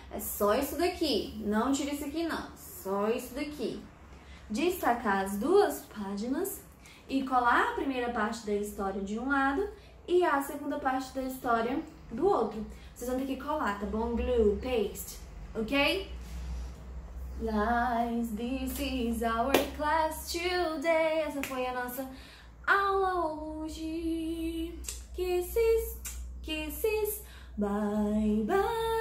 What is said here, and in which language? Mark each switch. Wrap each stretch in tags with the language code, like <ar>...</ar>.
<pt>É só isso daqui. Não tira isso aqui, não. Só isso daqui. Destacar as duas páginas e colar a primeira parte da história de um lado e a segunda parte da história do outro. Vocês vão ter que colar, tá bom?</pt> <en>Glue, paste, ok? Guys, this is our class today.</en> <pt>Essa foi a nossa aula hoje.</pt> <en>Kisses, kisses, bye bye.</en>